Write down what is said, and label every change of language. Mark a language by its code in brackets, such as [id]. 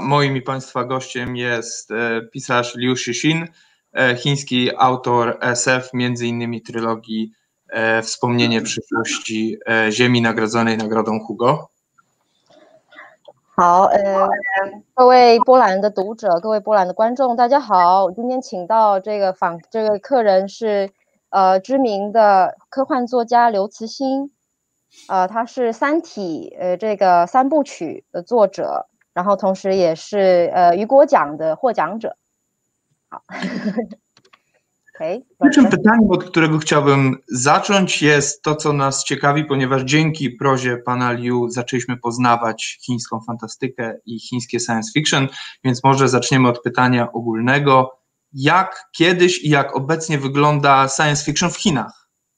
[pl] Moim i Państwa gościem jest pisarz Liu Cixin, chiński autor SF, między innymi trylogii Wspomnienie przyszłości Ziemi, nagrodzonej nagrodą Hugo. [zh] 好, 各位波兰的读者, 各位波兰的观众, 大家好, 今天请到这个访, 这个客人是, 知名的科幻作家刘慈欣。他是《三体》这个三部曲的作者，然后同时也是雨果奖的获奖者。好，OK。 [pl] Pierwszym pytaniem, od którego chciałbym zacząć, jest to, co nas ciekawi, ponieważ dzięki prozie pana Liu zaczęliśmy poznawać chińską fantastykę i chińskie science fiction, więc może zaczniemy od pytania ogólnego. Jak kiedyś i jak obecnie wygląda science fiction w Chinach?